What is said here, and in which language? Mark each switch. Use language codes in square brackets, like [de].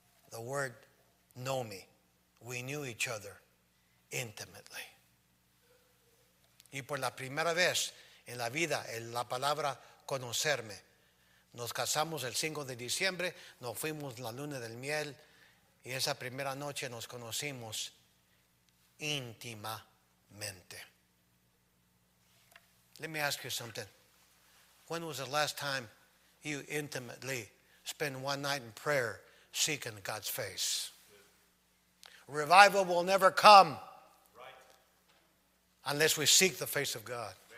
[en] The word know me. We knew each other intimately. [es] Y por la primera vez en la vida, en la palabra conocerme. Nos casamos el 5 de diciembre, nos fuimos la luna del miel, y esa primera noche nos conocimos íntimamente. [en] Let me ask you something. When was the last time you intimately spent one night in prayer seeking God's face? Revival will never come unless we seek the face of God.